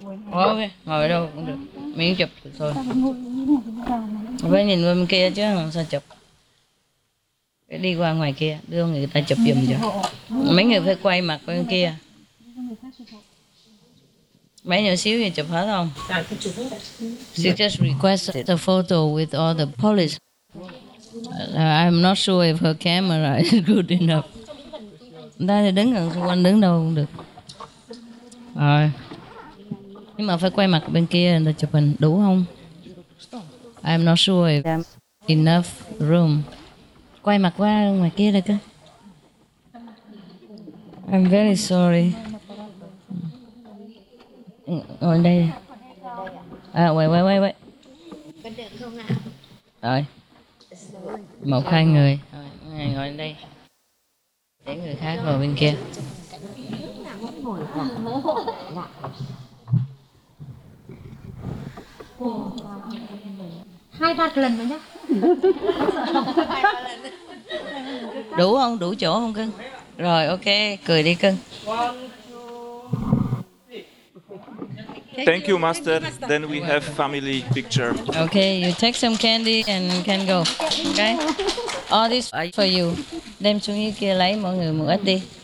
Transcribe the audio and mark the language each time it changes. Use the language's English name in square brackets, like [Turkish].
[Vietnamese] Ok, ngồi đâu cũng được. Mình chụp được thôi. Với nhìn bên kia chứ không sao chụp. Đi qua ngoài kia, đưa người ta chụp giùm cho. Mấy người phải quay mặt bên kia. Mấy nhỏ xíu thì chụp hết không? [English] She just requested the photo with all the police. I'm not sure if her camera is good enough. [Vietnamese] Người ta thì đứng gần xung quanh đứng đâu cũng được. Rồi. Nhưng mà phải quay mặt bên kia người ta chụp hình đủ không? [English] I'm not sure if enough room. [Vietnamese] Quay mặt qua ngoài kia được cơ. [English] I'm very sorry. [Vietnamese] Ngồi đây. À, wait. Có được không ạ? Rồi. Một hai người. Rồi, ngồi lên đây. Để người khác ngồi bên kia. Hai ba lần rồi nhá. Đủ không? Đủ chỗ không cưng? Rồi, ok. Cười đi cưng. [English] Thank you, Master. Then we have family picture. Okay, you take some candy and can go. Okay? All this for you. [Vietnamese] Đem xuống dưới kia lấy mọi người một ít đi.